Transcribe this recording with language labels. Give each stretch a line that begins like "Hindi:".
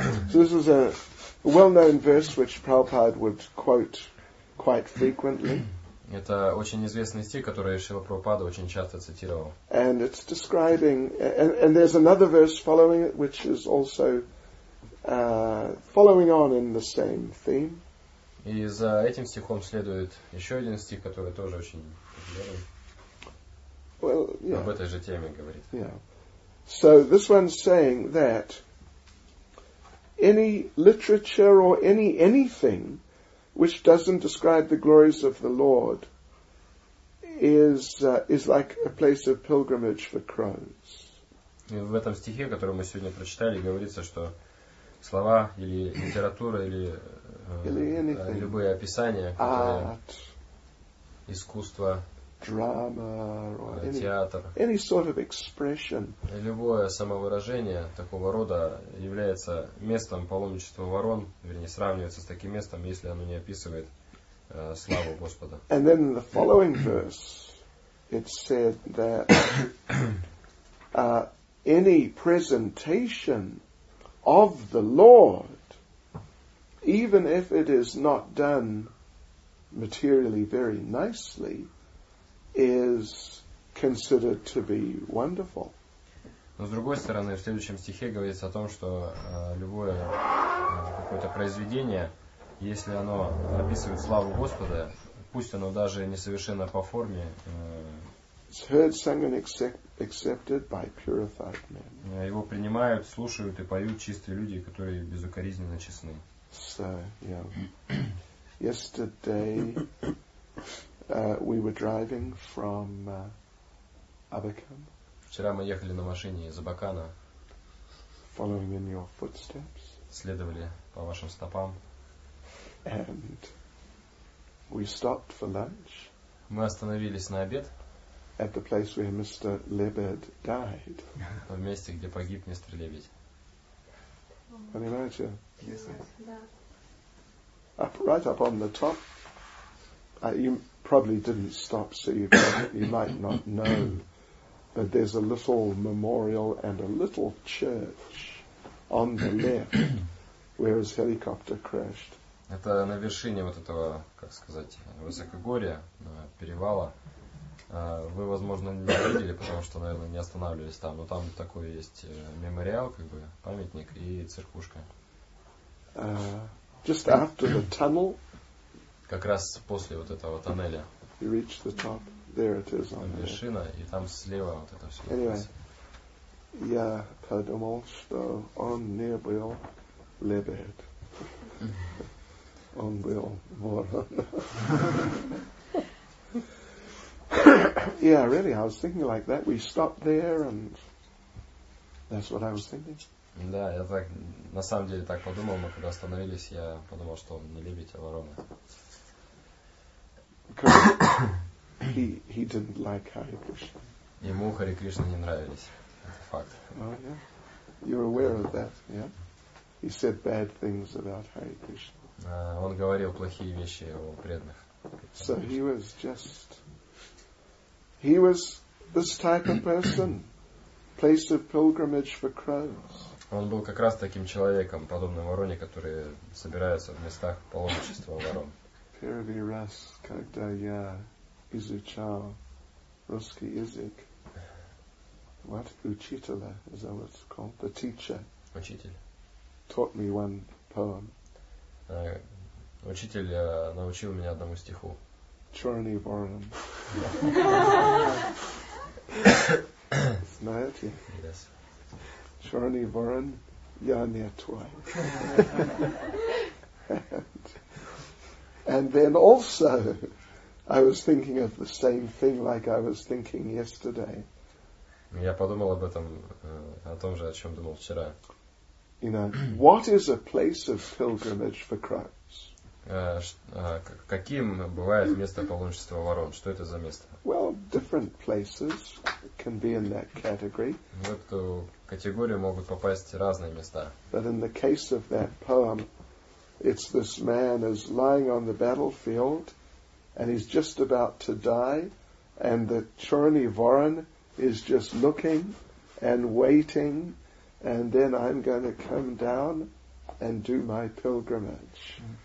English: So this is a well-known verse which Prabhupada would quote quite frequently.
Russian: Это очень известный стих, который Шрила Прабхупада очень часто цитировал.
English: And it's describing, and there's another verse following it, which is also following on in the same theme.
Russian: И за этим стихом следует еще один стих, который тоже очень популярен.
English: Well, yeah.
Russian: Об этой же теме говорит.
English: Yeah. So this one's saying that any literature or anything which doesn't describe the glories of the Lord is like a place of pilgrimage for crows.
Russian: И в этом стихе, который мы сегодня прочитали, говорится, что слова или литература или, или
English: anything,
Russian: любые описания,
English: art,
Russian: искусство,
English: drama,
Russian: театр,
English: any sort of expression,
Russian: любое самовыражение такого рода является местом паломничества ворон, вернее, сравнивается с таким местом, если оно не описывает славу Господа.
English: And then in the following verse, it said that any presentation of the Lord, even if it is not done materially very nicely, is considered to be wonderful.
Russian: Но с другой стороны, в следующем стихе говорится о том, что любое какое-то произведение, если оно описывает славу Господа, пусть оно даже несовершенно по форме,
English: it's heard, sung, and accepted by purified men.
Russian: Его принимают, слушают и поют чистые люди, которые безукоризненно честны.
English: So, yeah. Yesterday we were driving from Abakan.
Russian: Вчера мы ехали на машине из Абакана.
English: Following in your footsteps.
Russian: Следовали по вашим стопам.
English: And we stopped for lunch.
Russian: Мы остановились на обед.
English: At the place where Mr. Lebed died.
Russian: В месте, где погиб мистер Лебедь. Понимаете?
English: Yes, yes. Up, right up on the top. You probably didn't stop, so you might not know, but there's a little memorial and a little church on the left where his helicopter crashed.
Russian: Это на вершине вот этого, как сказать, высокогорья, перевала. Вы, возможно, не видели, потому что, наверное, не останавливались там, но там такой есть мемориал, как бы памятник и церквушка.
English: Just after the tunnel.
Russian: Как раз после вот этого тоннеля.
English: You reach the top. There it is on
Russian: вершина,
English: there.
Russian: И там слева вот это все.
English: Anyway,
Russian: я подумал, что он не был лебед. Он был ворон.
English: Yeah, really, I was thinking like that. We stopped there and that's what I was thinking.
Russian: Да, я так, на самом деле, так подумал, мы когда остановились, я подумал, что он не лебедь, а ворона.
English: He didn't like Hare Krishna.
Russian: Ему Хари Кришна не нравились. Это факт.
English: Oh yeah. You're aware of that, yeah? He said bad things about Hare Krishna.
Russian: Он говорил плохие вещи о преданных.
English: So he was just, he was this type of person, place of pilgrimage for crows.
Russian: Он был как раз таким человеком, подобным вороне, которые собираются в местах паломничества ворон. Первый раз, когда я изучал русский язык.
English: What?
Russian: Учителя,
English: is that what it's called? The teacher.
Russian: Учитель.
English: Taught me one poem.
Russian: Учитель научил меня одному стиху. Чёрный ворон. Знаете?
English: Yes.
Russian: Чёрный ворон, я не твой.
English: And then also, I was thinking of the same thing like I was thinking yesterday.
Russian: Я подумал об этом, о том же, о чем думал вчера.
English: You know, what is a place of pilgrimage for Christ?
Russian: Каким бывает место паломничества ворон? Что это за место?
English: Well, different places can be in that category.
Russian: В эту категорию могут попасть разные места.
English: But in the case of that poem, it's this man is lying on the battlefield, and he's just about to die, and the Chorny Voron is just looking and waiting, and then I'm going to come down and do my pilgrimage.